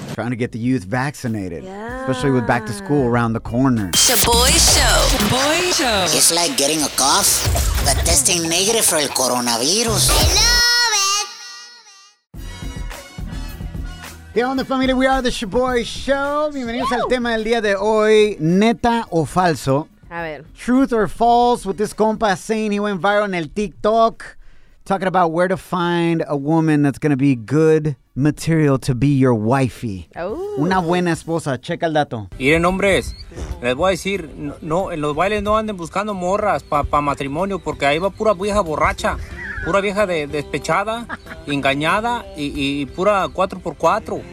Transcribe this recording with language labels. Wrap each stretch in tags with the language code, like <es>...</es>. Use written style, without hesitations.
<en>Trying to get the youth vaccinated, yeah. Especially with back to school around the corner. Shaboy Show. Shaboy Show. It's like getting a cough, but testing negative for the coronavirus. I love it. Hey, on the family, we are the Shaboy Show.</en> <es>Bienvenidos al tema del día de hoy, neta o falso. A ver.</es> <en>Truth or false with this compa saying he went viral on el TikTok talking about where to find a woman that's going to be good material to be your wifey. Ooh.</en> <es>Una buena esposa. Checa el dato. Miren, hombres, les voy a decir, no, en los bailes no anden buscando morras para matrimonio porque ahí va pura vieja borracha, pura vieja despechada, engañada y pura 4x4.</es>